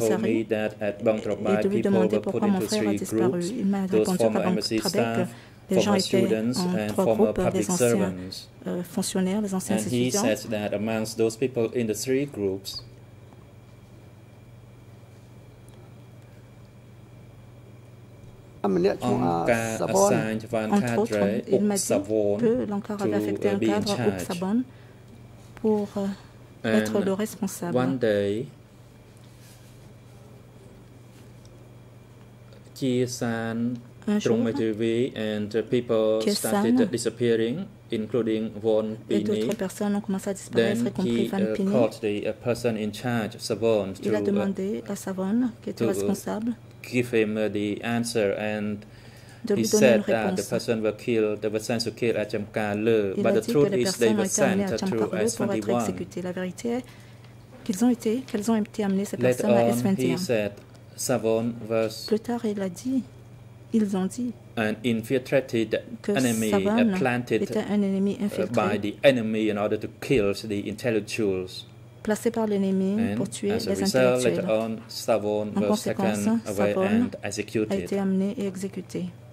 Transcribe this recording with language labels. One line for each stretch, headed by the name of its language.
French: Sari et de lui demander pourquoi mon frère a disparu. Il m'a répondu à Trabek. Les gens étaient en trois groupes, les anciens
English: servants.
French: Fonctionnaires, les anciens
English: and
French: étudiants.
English: He said that amongst those people in the three groups,
French: entre autres, il m'a dit que l'Ankara avait affecté un cadre pour être le responsable.
English: One day, Kiesan, Trumetuvi, and people started disappearing, including Von Pini.
French: Et d'autres personnes ont commencé à disparaître, y compris Van Pini.
English: Then he called the person in charge, Savon, to,
French: il a demandé à Savon, qui était responsable,
English: give him the answer and
French: de
English: he said that the person were killed, they were sent to kill at Jamkale, but the truth is they were sent to S21.
French: La vérité est qu'elles ont été amenées ces personnes à S21.
English: He said, Savon was
French: plus tard, il a dit, ils ont dit
English: an infiltrated enemy planted
French: un ennemi infiltré
English: by the enemy in order to kill the intellectuals.
French: Placé par l'ennemi pour tuer les intellectuels. Savon en conséquence, Savon a été amené et exécuté.